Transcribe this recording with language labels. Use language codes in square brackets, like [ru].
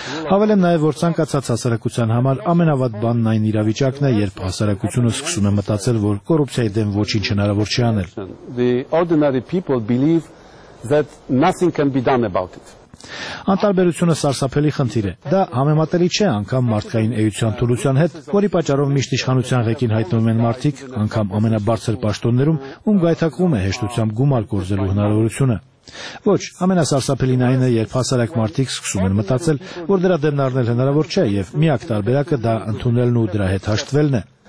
[hy] Հավելեմ նաեւ, որ ցանկացած հասարակության համար ամենավատ բանն այն իրավիճակն է, երբ հասարակությունը սկսում է մտածել, որ կոռուպցիայի դեմ ոչինչ հնարավոր չի անել։ [en] The ordinary people believe that nothing can be done about it. [hy] Անտարբերությունը սարսափելի խնդիր է։ Դա համեմատելի չէ անգամ մարդկային էության թուլության հետ, որի պատճառով միշտ իշխանության ղեկին հայտնվում են մարդիկ, անգամ ամենաբարձր պաշտոններում, ում գայթակղում է հեշտությամբ գումար կորզելու հնարավորությունը։ Ոչ, ամենասարսափելին այն է, երբ հասարակ մարդիկ սկսում են մտածել, որ դրա դեմ նառնել հնարավոր չէ, եւ միակ տարբերակը դա ընդունելն ու դրա հետ հաշտվելն է։